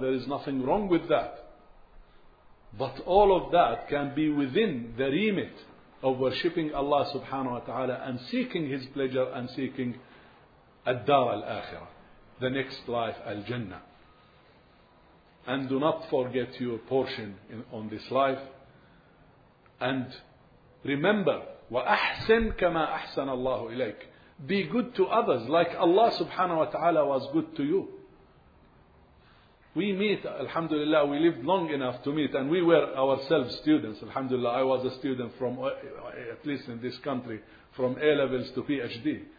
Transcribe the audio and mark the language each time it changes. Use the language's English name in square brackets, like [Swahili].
[English] There is nothing wrong with that. But all of that can be within the remit of worshipping Allah subhanahu wa ta'ala and seeking His pleasure and seeking الدار الآخرة, the next life, الجنة. And do not forget your portion on this life. And remember, [Arabic] وَأَحْسِنْ كَمَا أَحْسَنَ اللَّهُ إِلَيْكَ. [English] Be good to others, like Allah subhanahu wa ta'ala was good to you. We meet, alhamdulillah, we lived long enough to meet, and we were ourselves students, alhamdulillah. I was a student from, at least in this country, from A-levels to PhD.